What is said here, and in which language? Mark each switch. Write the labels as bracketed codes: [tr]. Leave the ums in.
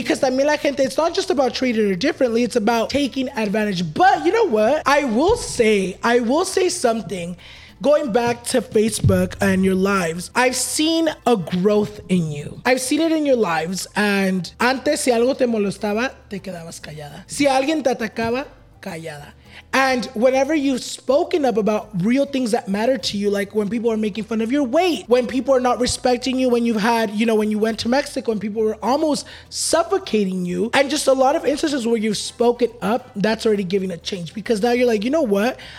[en] Because [es] también la gente [en] it's not just about treating her differently, it's about taking advantage. But you know what? I will say, I will say something going back to Facebook and your lives, I've seen a growth in you. I've seen it in your lives. [es] And antes, si algo te molestaba, te quedabas callada. Si alguien te atacaba, callada. [en] And whenever you've spoken up about real things that matter to you, like when people are making fun of your weight, when people are not respecting you, when you've had, you know, when you went to Mexico and people were almost suffocating you, and just a lot of instances where you've spoken up, that's already giving a change because now you're like, you know what?